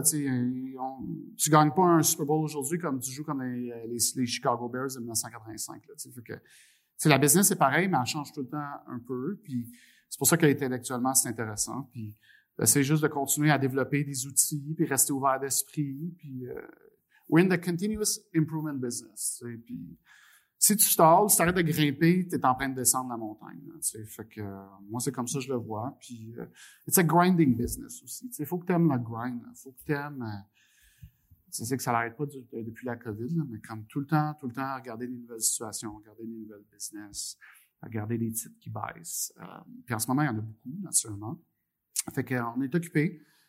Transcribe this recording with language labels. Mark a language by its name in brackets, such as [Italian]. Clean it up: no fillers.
[French] Tu sais, tu gagnes pas un Super Bowl aujourd'hui comme tu joues comme les Chicago Bears de 1985, là. Tu sais, fait que, tu sais, la business est pareil, mais elle change tout le temps un peu. Puis, c'est pour ça qu'intellectuellement, c'est intéressant. Puis, c'est juste de continuer à développer des outils, puis rester ouvert d'esprit. Puis, [English] we're in the continuous improvement business. [French] Tu sais, puis, si tu stalles, si t'arrêtes de grimper, t'es en train de descendre la montagne. Tu sais, fait que moi c'est comme ça que je le vois. Puis [English] it's a grinding business [French] aussi. Tu sais, faut que t'aimes le grind. Là. Faut que t'aimes. C'est que ça n'arrête pas depuis la COVID, là, mais comme tout le temps, regarder des nouvelles situations, regarder des nouvelles business, regarder des titres qui baissent. Puis en ce moment, il y en a beaucoup, naturellement. Fait que on est occupé.